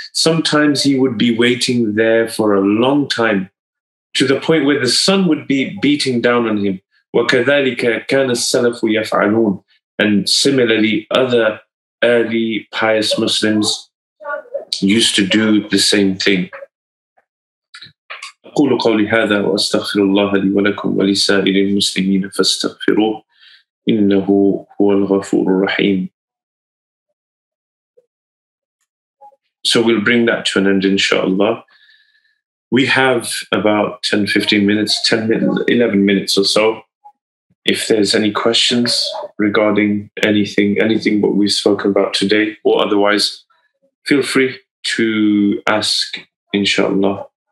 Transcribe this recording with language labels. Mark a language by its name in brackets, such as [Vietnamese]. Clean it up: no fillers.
[English] Sometimes he would be waiting there for a long time, to the point where the sun would be beating down on him. [Arabic] وَكَذَلِكَ كَانَ السَّلَفُ يَفْعَلُونَ. [English] And similarly, other early pious Muslims used to do the same thing. [Arabic] أقول قولي هذا وأستغفر الله لي ولكم ولسائر المسلمين فاستغفروه إنه هو الغفور الرحيم. [English] So we'll bring that to an end, inshallah. We have about 10-15 minutes, 11 minutes or so. If there's any questions regarding anything what we've spoken about today, or otherwise, feel free to ask, inshallah.